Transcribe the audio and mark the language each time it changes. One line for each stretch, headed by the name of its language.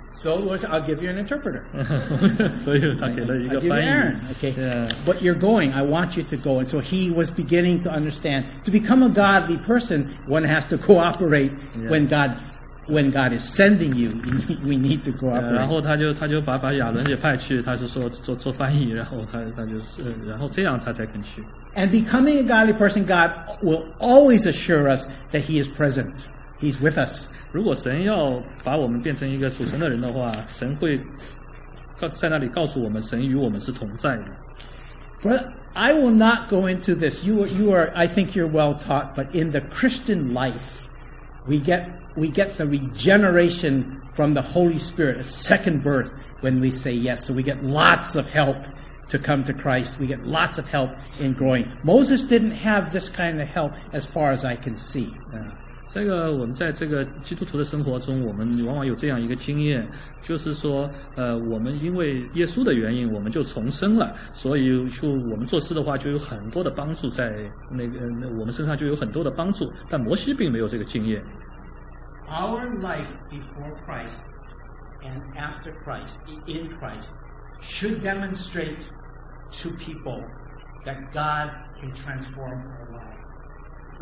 English: So Lord said, I'll give you an interpreter.
Chinese: 所以他给了一个翻译。
English: Aaron, okay. Yeah. But you're going. I want you to go. And so he was beginning to understand. To become a godly person, one has to cooperate when God is sending you. We need to cooperate.
Chinese: 然后他就把亚伦也派去，他是说做翻译，然后他就是，然后这样他才肯去。
English: And becoming a godly person, God will always assure us that He is present. He's with us.
Chinese: 如果神要把我们变成一个属神的人的话，神会在那里告诉我们，神与我们是同在的。
English: But I will not go into this. You are, I think you're well taught. But in the Christian life, we get the regeneration from the Holy Spirit, a second birth when we say yes. So we get lots of help. To come to Christ, we get lots of help in growing. Moses didn't have this kind of help, as far as I can see.
Chinese: 这个我们在这个基督徒的生活中，我们往往有这样一个经验，就是说，我们因为耶稣的原因，我们就重生了，所以就我们做事的话，就有很多的帮助在那个我们身上就有很多的帮助。但摩西并没有这个经验。
English: Our life before Christ and after Christ, in Christ. Should demonstrate to people that God can transform our life.